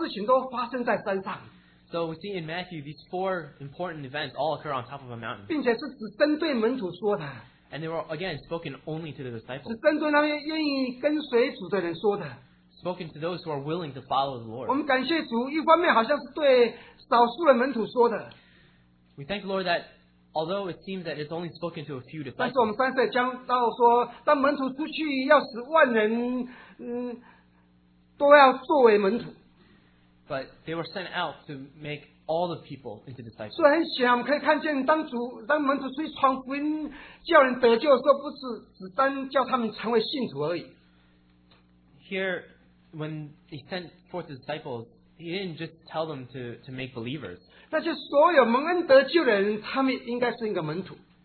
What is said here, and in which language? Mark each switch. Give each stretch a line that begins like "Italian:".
Chinese: 所以我们看见在马太福音事件重要事情都发生在山上.
English: So we see in Matthew these four important events all occur on top of a mountain.
Chinese: 并且是只针对门徒说的.
English: And they were again spoken only to the disciples.
Chinese: 是针对那些愿意跟随主的人说的.
English: Spoken to those who are willing to follow the Lord.
Chinese: 我们感谢主，一方面好像是对少数的门徒说的.
English: We thank the Lord that although it seems that it's only spoken to a few disciples.
Chinese: 但是我们刚才讲到说，当门徒出去，要使万人都要作为门徒.
English: But they were sent out to make all the people into disciples.
Chinese: 所以很显然，我们可以看见，当门徒出去传福音，叫人得救的时候，不是只单叫他们成为信徒而已.
English: Here, when he sent forth the disciples, he didn't just tell them to make believers.
Chinese: 那些所有蒙恩得救的人，他们应该是一个门徒.